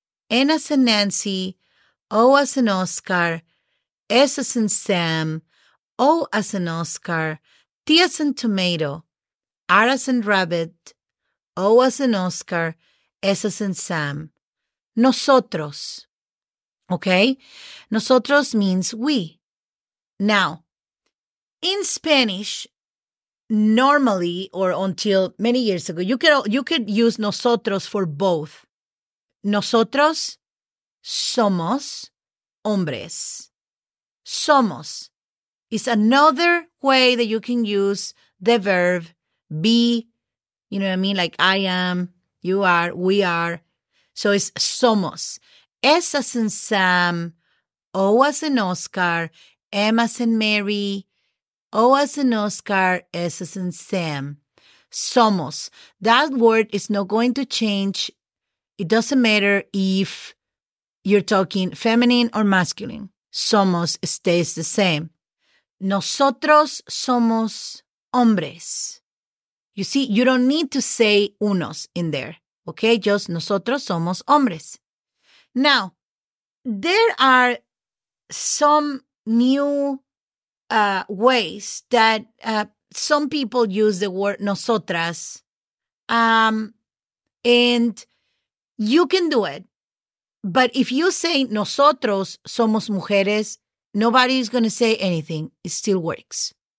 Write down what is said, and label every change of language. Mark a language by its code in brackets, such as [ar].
[en] N as in Nancy, O as in Oscar, S as in Sam, O as in Oscar, T as in tomato, R as in rabbit, O as in Oscar, S as in Sam. Nosotros. Okay? Nosotros means we. Now, in Spanish, normally or until many years ago, you could use nosotros for both. [es] Nosotros somos hombres. [en] Somos is another way that you can use the verb be, you know what I mean? Like I am, you are, we are. So it's somos. S as in Sam, O as in Oscar, M as in Mary, O as in Oscar, S as in Sam. Somos. That word is not going to change. It doesn't matter if you're talking feminine or masculine. Somos stays the same. [es] Nosotros somos hombres. [en] You see, you don't need to say unos in there. Okay, just [es] nosotros somos hombres. [en] Now, there are some new ways that some people use the word nosotras. And you can do it. But if you say [es] nosotros somos mujeres, [en] nobody is going to say anything. It still works.